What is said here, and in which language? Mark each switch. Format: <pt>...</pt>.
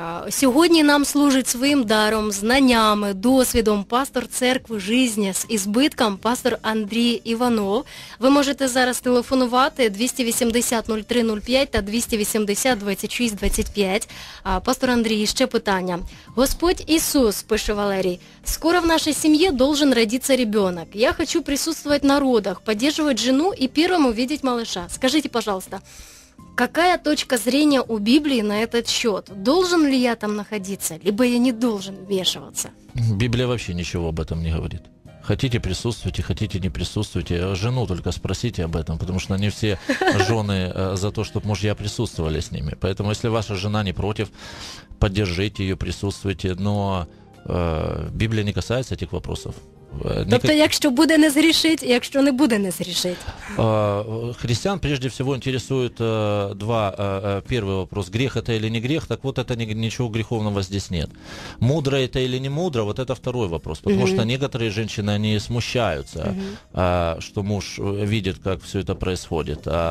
<uk>Сьогодні нам служить своїм даром, знаннями, досвідом пастор церкви «Життя з ізбитком» пастор Андрій Іванов. Ви можете зараз телефонувати 280-03-05 та 280-26-25. Пастор Андрій, ще питання. Господь Ісус, пише Валерій, скоро в нашій сім'ї</uk> <ru>должен</ru> <uk>родитися</uk> <ru>ребенок. Я хочу присутствовать на родах, поддерживать жену и первым увидеть малыша. Скажите, пожалуйста, какая точка зрения у Библии на этот счет? Должен ли я там находиться, либо я не должен вмешиваться? Библия вообще ничего об этом не говорит. Хотите, присутствуйте, хотите, не присутствуйте. Жену только спросите об этом, потому что не все жены за то, чтобы мужья присутствовали с ними. Поэтому, если ваша жена не против, поддержите ее, присутствуйте. Но Библия не касается этих вопросов.</ru> <uk>Тобто, якщо буде, не зрішить, якщо не буде, не зрішить.</uk> <ru>Християн, прежде всего, интересует два. Первый вопрос, грех это или не грех? Так вот, это ничего греховного здесь нет. Мудро это или не мудро? Вот это второй вопрос. Потому что некоторые женщины, они смущаются, что муж видит, как все это происходит.</ru>